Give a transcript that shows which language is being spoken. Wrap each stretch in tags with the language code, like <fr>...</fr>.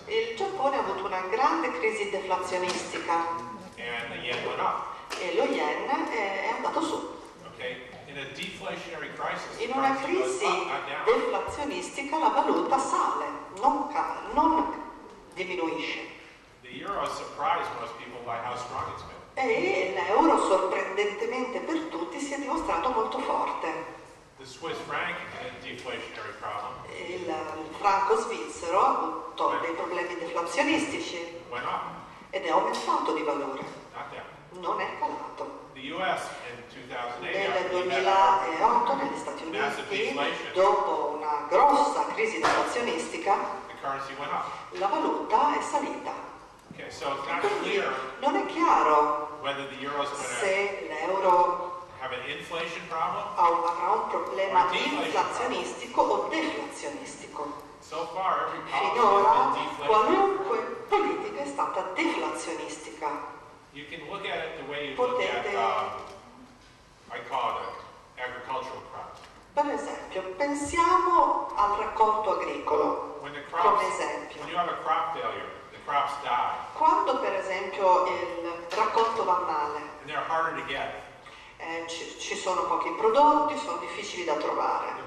<it>Il Giappone ha avuto una grande crisi deflazionistica.</it> <en>And the yen went up.</en> <it>E lo yen è andato su.</it> <en>Okay. In a deflationary crisis,</en> <it>in una crisi deflazionistica la valuta sale, non diminuisce.</it> <en>The euro surprised most people by how strong it's been.</en> <it>E l'euro sorprendentemente per tutti si è dimostrato molto forte.</it> <en>The Swiss franc had a deflationary problem.</en> <it>Il franco svizzero ha avuto dei problemi deflazionistici.</it> <en>Went up.</en> <it>Ed è aumentato di valore.</it> <en>Not down.</en> <it>Non è calato.</it> <en>The US in</en> <it>2008 negli Stati Uniti, dopo una grossa crisi deflazionistica,</it> <en>the currency went up.</en> <it>La valuta è salita.</it> <en>Okay, so it's not clear.</en> <it>Non è chiaro</it> <en>whether the euro's</en> <it>se l'euro</it> <en>have an inflation problem,</en> <it>avrà un problema inflazionistico o deflazionistico.</it> <en>So far,</en> <it>finora qualunque politica è stata deflazionistica.</it> <en>You can look at it the way you potete, look at, I call it agricultural crop.</en> <it>Per esempio, pensiamo al raccolto agricolo, come esempio.</it> <en>When you have a crop failure, the crops die.</en> <it>Quando per esempio il raccolto va male,</it> <en>and they're harder to get.</en> <it>Ci sono pochi prodotti, sono difficili da trovare.</it>